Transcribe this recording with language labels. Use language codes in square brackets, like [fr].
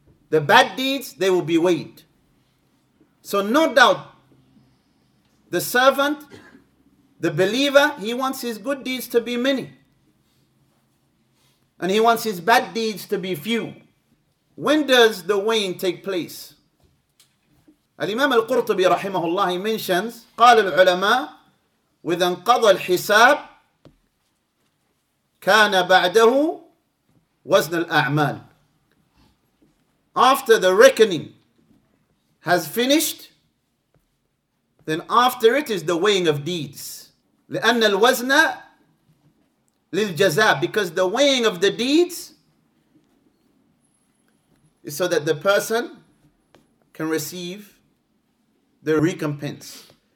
[en] The bad deeds, they will be weighed. So no doubt, the servant, the believer, he wants his good deeds to be many. And he wants his bad deeds to be few. When does the weighing take place? [ar] Al-Imam al-Qurtubi rahimahullah, [en] he mentions, [ar] قال العلماء, وَإِذَا انْقَضَى الْحِسَابِ كَانَ بَعْدَهُ وَزْنَ الْأَعْمَالِ. [en] After the reckoning has finished, then after it is the weighing of deeds. [ar] لِأَنَّ الْوَزْنَ لِلْجَزَابِ. [en] Because the weighing of the deeds is so that the person can receive the recompense.